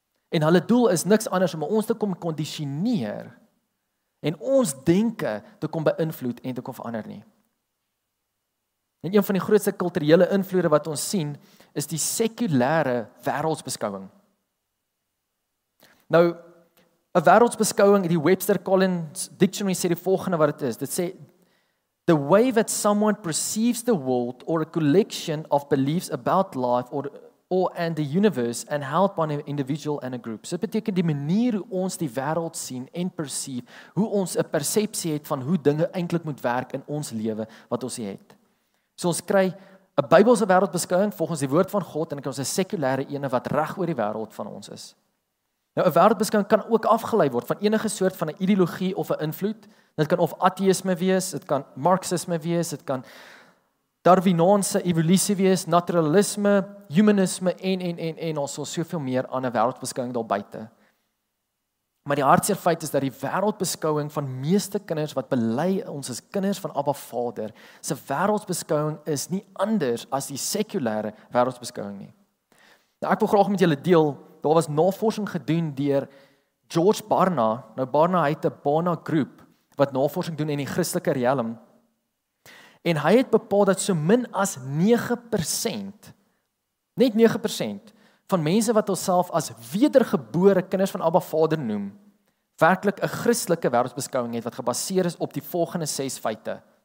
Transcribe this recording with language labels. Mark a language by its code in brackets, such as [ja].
[af] En hulle doel is niks anders om ons te kom kondisioneer en ons denke te kom beïnvloed en te kom verander nie. En een van die grootste kulturele invloede wat ons sien, is die sekulêre wêreldsbeskouing. Nou, 'n wêreldsbeskouing, die Webster Collins Dictionary sê die volgende wat dit is. [en] Dit sê, the way that someone perceives the world or a collection of beliefs about life or and the universe and how it upon an individual and a group. [af] So, dit beteken die manier hoe ons die wêreld sien en perceive, hoe ons 'n persepsie het van hoe dinge eintlik moet werk in ons lewe wat ons het. So ons kry 'n Bybelse wêreldbeskouing volgens die woord van God en ons 'n sekulêre ene wat reg oor die wêreld van ons is. Nou 'n wêreldbeskouing kan ook afgelei word van enige soort van 'n ideologie of 'n invloed. Dit kan of ateïsme wees, dit kan marxisme wees, dit kan darwinaanse evolusie wees, naturalisme, humanisme en ons sal soveel meer aan 'n wêreldbeskouing daar buite. Maar die hartseer feit is dat die wêreldbeskouing van meeste kinders wat bely ons as kinders van Abba Vader, se wêreldbeskouing is nie anders as die sekulêre wêreldbeskouing nie. Nou ek wil graag met julle deel, daar was navorsing gedoen deur George Barna. Nou Barna het 'n Barna Group wat navorsing doen in die Christelike riem. En hy het bepaal dat so min as 9%, net 9%, van mense wat onsself as wedergebore kinders van Abba Vader noem, werklik 'n Christelike wêreldbeskouing het wat gebaseer is op die volgende 6 feite.